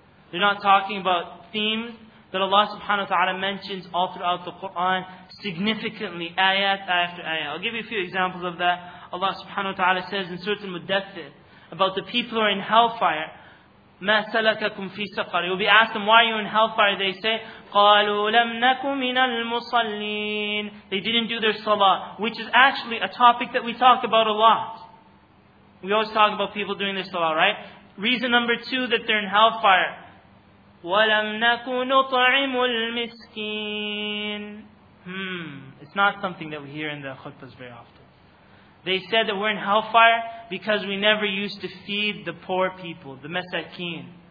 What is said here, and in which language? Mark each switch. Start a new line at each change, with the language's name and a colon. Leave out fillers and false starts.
English: They're not talking about themes that Allah subhanahu wa ta'ala mentions all throughout the Quran significantly, ayat after ayat. I'll give you a few examples of that. Allah subhanahu wa ta'ala says in Surah Al-Muddathir about the people who are in hellfire,
Arabic: مَا سَلَكَكُمْ فِي سَقَرِ.
English: You'll be asked them, why are you in hellfire? They say,
Arabic: قَالُوا لَمْ نَكُمْ مِنَ الْمُصَلِّينَ.
English: They didn't do their salah, which is actually a topic that we talk about a lot. We always talk about people doing their salah, right? Reason number two that they're in hellfire,
Arabic: وَلَمْ نَكُ نُطْعِمُ الْمِسْكِينَ.
English: It's not something that we hear in the khutbahs very often. They said that we're in hellfire because we never used to feed the poor people, the masakeen.